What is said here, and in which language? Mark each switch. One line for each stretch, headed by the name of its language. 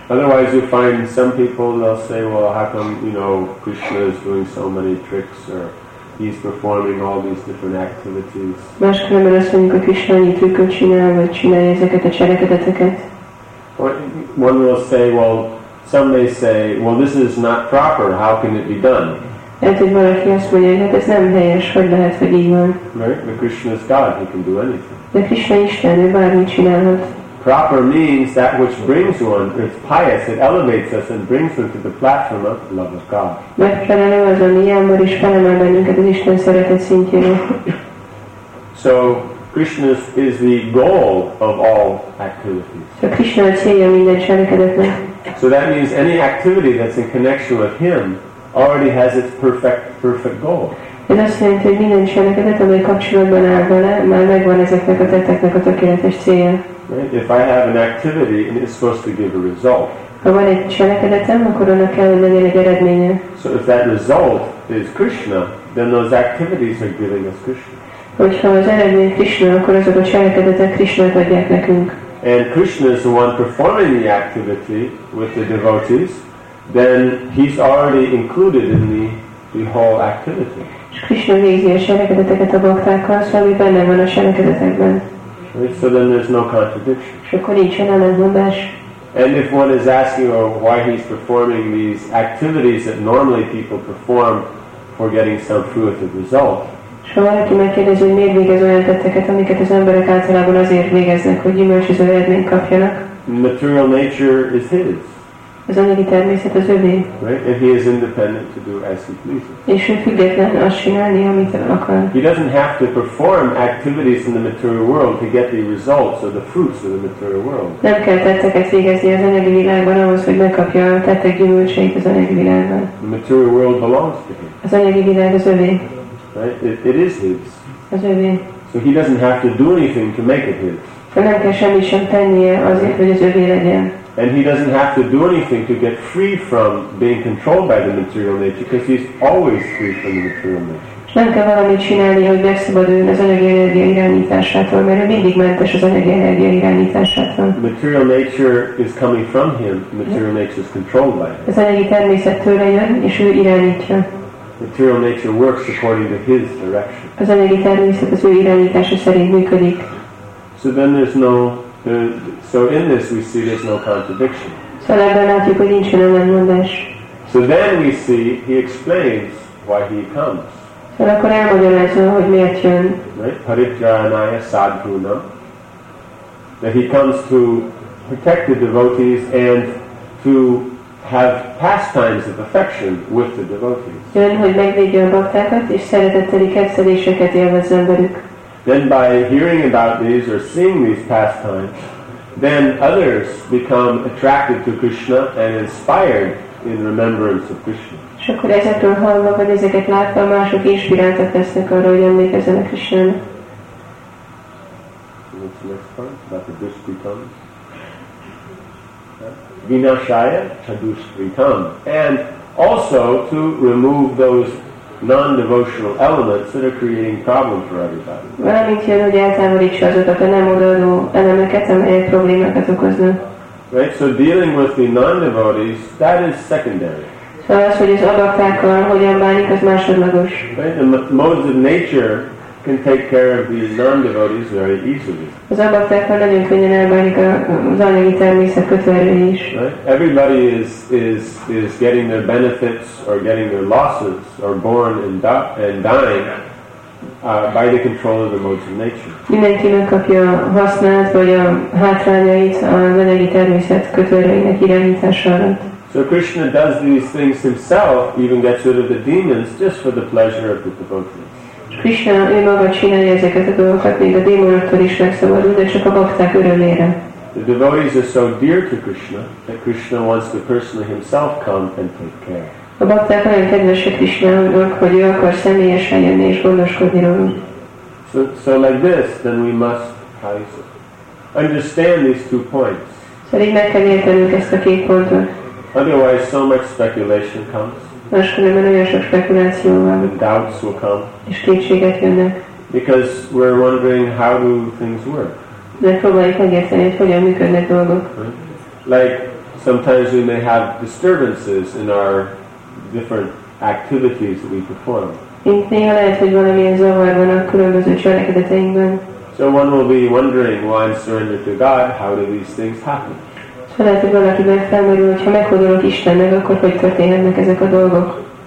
English: Otherwise you find some people they'll say, well, how come, you know, Krishna is doing so many tricks or he's performing all these different activities.
Hungarian: Máskülönben azt mondjuk, hogy Krishna annyi trükköt csinál, vagy csinálja ezeket a cselekedeteket.
English: One will say, well, some may say, well, this is not proper, how can it be done?
Hungarian: Lehet, hogy valaki azt mondja, hogy hát ez nem helyes, hogy lehet, hogy így van.
English: Right? But Krishna is God, he can do anything.
Hungarian: De Krishna Isten, ő bármit csinálhat.
English: Proper means that which brings one, it's pious, it elevates us and brings us to the platform of the love of God.
Hungarian: Megfelelő az, ami ilyenből is felemel bennünket az Isten szeretet szintjére.
English: So Krishna is the goal of all activities.
Hungarian: So Krishna a célja minden cselekedetnek.
English: So that means any activity that's in connection with him already has its perfect goal.
Hungarian: Ez azt jelenti, hogy minden cselekedet, amely kapcsolatban áll vele, már megvan ezeknek a tetteknek a tökéletes célja.
English: Right? If I have an activity, and it's supposed to give a result.
Hungarian: Ha van egy cselekedetem, akkor annak kell, hogy legyen egy eredménye.
English: So if that result is Krishna, then those activities are giving us Krishna.
Hungarian: Hogyha az eredmény Krishna, akkor azok a cselekedetek Krishna-t adják nekünk.
English: And Krishna is the one performing the activity with the devotees, then he's already included in the whole activity.
Hungarian: És Krishna végzi a cselekedeteket a baktákkal, szóval benne van a cselekedetekben.
English: Right? So then there's no contradiction.
Hungarian: És akkor nincsen ellentmondás.
English: And if one is asking or why he's performing these activities that normally people perform for getting some fruitive result.
Hungarian: És ha valaki megkérdezi, hogy miért végez olyan tetteket, amiket az emberek általában azért végeznek, hogy gyümölcsöző eredményt kapjanak.
English: Material nature is his.
Hungarian: Az anyagi természet az övé.
English: Right? And he is independent to do as he pleases.
Hungarian: És ő független azt csinálni, amit akar.
English: He doesn't have to perform activities in the material world to get the results or the fruits of the material world.
Hungarian: Nem kell tetteket végezni az anyagi világban ahhoz, hogy megkapja a tettek gyümölcseit az anyagi világban.
English: The material world belongs to him.
Hungarian: Az anyagi világ az övé.
English: Right? It is his.
Hungarian: Az övé.
English: So he doesn't have to do anything to make it his.
Hungarian: Nem kell semmit sem tennie azért, hogy az övé legyen.
English: And he doesn't have to do anything to get free from being controlled by the material nature, because he's always free from the material nature.
Hungarian: Nem kell valamit csinálni, hogy megszabaduljon az anyagi energia irányításától, mert ő mindig mentes az anyagi energia irányításától.
English: Material nature is coming from him. Material nature is controlled by him.
Hungarian: Az anyagi természet tőle jön, és ő irányítja.
English: Material nature works according to his direction.
Hungarian: Az anyagi természet az ő irányítása szerint működik.
English: So then there's no. So in this we see there's no contradiction.
Hungarian: Szóval ebben látjuk, hogy nincsen ellentmondás.
English: So then we see he explains why he comes.
Hungarian: Mert akkor elmagyarázza, hogy miért jön.
English: Right?
Sanskrit: Paritjánaya sadhuna.
English: That he comes to protect the devotees and to have pastimes of affection with the devotees.
Hungarian: Jön, hogy megvédje a baktákat, és szeretetteli kedvesedéseket élvezzen velük.
English: Then by hearing about these or seeing these pastimes, then others become attracted to Krishna and inspired in remembrance of Krishna.
Hungarian: És akkor ezekről hallva, vagy ezeket látva, mások inspiráltak lesznek arra, hogy emlékezzenek is jön.
English: What's the next part? About the Dushkritam.
Sanskrit: Vinashaya, Chadushkritam.
English: And also to remove those non-devotional elements that are creating problems for everybody.
Hungarian: Valamint jön, hogy eltávolítsa azokat a nem odaadó elemeket, amelyek problémákat okoznak.
English: Right, so dealing with the non-devotees, that is secondary.
Hungarian: Szóval az, hogy az adaktákkal hogyan bánik, az másodlagos.
English: Right? The modes of nature can take care of these non-devotees very easily.
Hungarian: Az adaktákkal nagyon könnyen elbánik az anyagi természet kötőerői is.
English: Right? Everybody is getting their benefits or getting their losses or born and dying by the control of the modes of nature.
Hungarian: Mindenki megkapja a hasznát vagy a hátrányait az anyagi természet kötőereinek irányítása alatt.
English: So Krishna does these things himself, even gets rid of the demons, just for the pleasure of the devotees.
Hungarian: Krishna, ő maga csinálja ezeket a dolgokat, még a démonoktól is megszabadul, de csak a bakták örömére.
English: The devotees are so dear to Krishna, that Krishna wants to personally himself come and take care.
Hungarian: A bakták olyan kedvesek Krishnának, hogy ő akar személyesen jönni és gondoskodni róluk.
English: So like this, then we must understand these two points.
Hungarian: Szóval így meg kell értenünk ezt a két pontot.
English: Otherwise, so much speculation comes.
Hungarian: Máskülönben olyan sok spekuláció van.
English: And doubts will come.
Hungarian: És kétségek jönnek.
English: Because we're wondering how do things work.
Hungarian: Megpróbáljuk megérteni, hogy hogyan működnek dolgok.
English: Like sometimes we may have disturbances in our different activities that we perform.
Hungarian: Itt néha lehet, hogy valamilyen zavar van a különböző cselekedeteinkben.
English: So one will be wondering, why I'm surrendered to God, how do these things happen?
Hungarian: Lehet, hogy valaki megfelmerül, hogyha meghódolok Istennek, akkor hogy történhetnek ezek a dolgok.